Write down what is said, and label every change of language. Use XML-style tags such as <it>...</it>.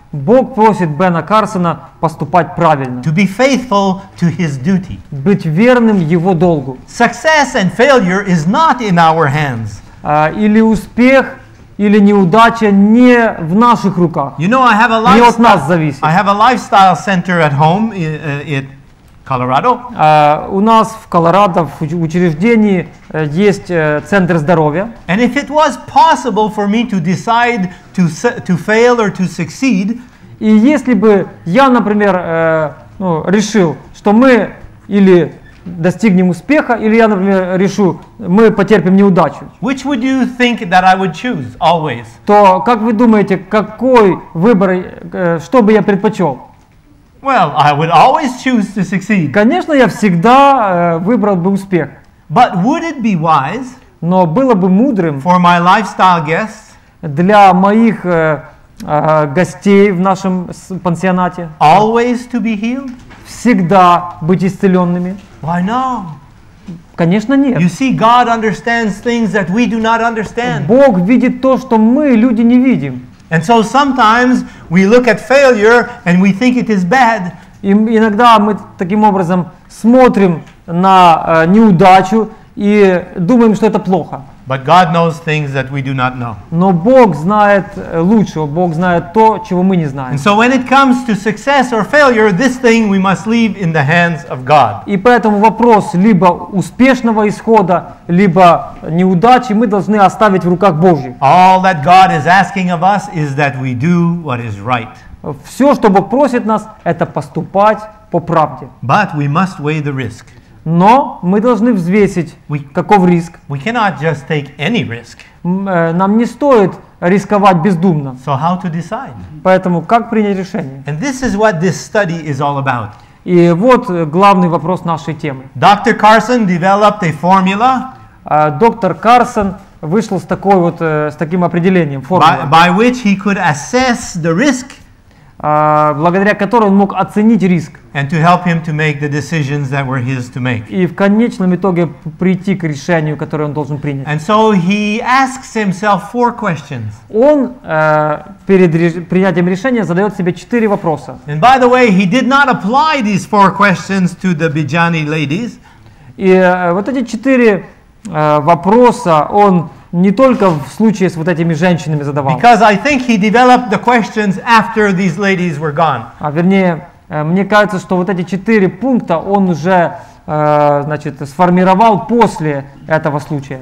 <ru>Бог просит Бена Карсона поступать правильно.</ru> <en>To be faithful to his duty.</en> <ru>Быть верным его долгу.</ru> <en>Success and failure is not in our hands.</en> <ru>Или успех, или неудача не в наших руках.</ru> <en>You know, I have a lifestyle.</en> <ru>Не от нас зависит.</ru> <en>I have a lifestyle center at home. Colorado.</en> <ru>У нас в Колорадо в учреждении есть центр здоровья.</ru> <en>And if it was possible for me to decide to fail or to succeed,</en> <ru>и если бы я, например, решил, что мы или достигнем успеха, или я, например, решу, мы потерпим неудачу.</ru> <en>Which would you think that I would choose always?</en> <ru>То как вы думаете, какой выбор, что бы я предпочел?</ru> <en>Well, I would always choose to succeed.</en> <ru>Конечно, я всегда выбрал бы успех.</ru> <en>But would it be wise?</en> <ru>Но было бы мудрым.</ru> <en>For my lifestyle guests.</en> <ru>Для моих гостей в нашем пансионате.</ru> <en>Always to be healed?</en> <ru>Всегда быть исцеленными.</ru> <en>Why no?</en> <ru>Конечно, нет.</ru> <en>You see, God understands things that we do not understand.</en> <ru>Бог видит то, что мы, люди, не видим.</ru> <en>And so sometimes we look at failure and we think it is bad.</en> <ru>И иногда мы таким образом смотрим на неудачу и думаем, что это плохо.</ru> <en>But God knows things that we do not know.</en> <ru>Но Бог знает лучше, Бог знает то, чего мы не знаем.</ru> <en>And so when it comes to success or failure, this thing we must leave in the hands of God.</en> <ru>И поэтому вопрос либо успешного исхода, либо неудачи мы должны оставить в руках Божьих.</ru> <en>All that God is asking of us is that we do what is right.</en> <ru>Все, что Бог просит нас, это поступать по правде.</ru> <en>But we must weigh the risk.</en> <ru>Но мы должны взвесить, каков риск.</ru> <en>We cannot just take any risk.</en> <ru>Нам не стоит рисковать бездумно.</ru> <en>So how to decide?</en> <ru>Поэтому как принять решение?</ru> <en>And this is what this study is all about.</en> <ru>И вот главный вопрос нашей темы.</ru> <en>Dr. Carson developed a formula.</en> <ru>Доктор Карсон вышел с такой вот, с таким определением, формулой.</ru> <en>By which he could assess the risk.</en> <ru>Благодаря которой он мог оценить риск.</ru> <en>And to help him to make the decisions that were his to make.</en> <ru>И в конечном итоге прийти к решению, которое он должен принять.</ru> <en>And so he asks himself four questions.</en> <ru>Он перед принятием решения задает себе четыре вопроса.</ru> <en>And by the way, he did not apply these four questions to the Bijani ladies.</en> <ru>И вот эти четыре вопроса он не только в случае с вот этими женщинами задавал.</ru> <en>Because I think he developed the questions after these ladies were gone.</en> <ru>А вернее, мне кажется, что вот эти четыре пункта он уже, значит, сформировал после этого случая.</ru>